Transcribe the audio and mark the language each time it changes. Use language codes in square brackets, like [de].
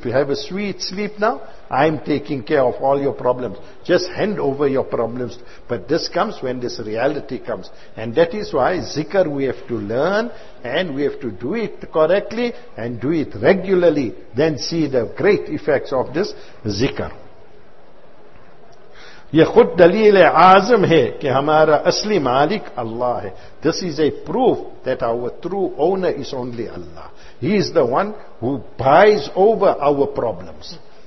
[en] You have a sweet sleep now. I'm taking care of all your problems. Just hand over your problems. But this comes when this reality comes. And that is why zikr we have to learn, and we have to do it correctly and do it regularly. Then see the great effects of this zikr. [ur] یہ خود دلیل عظم ہے کہ ہمارا اصلی مالک اللہ ہے. [en] This is a proof that our true owner is only Allah. He is the one who buys over our problems.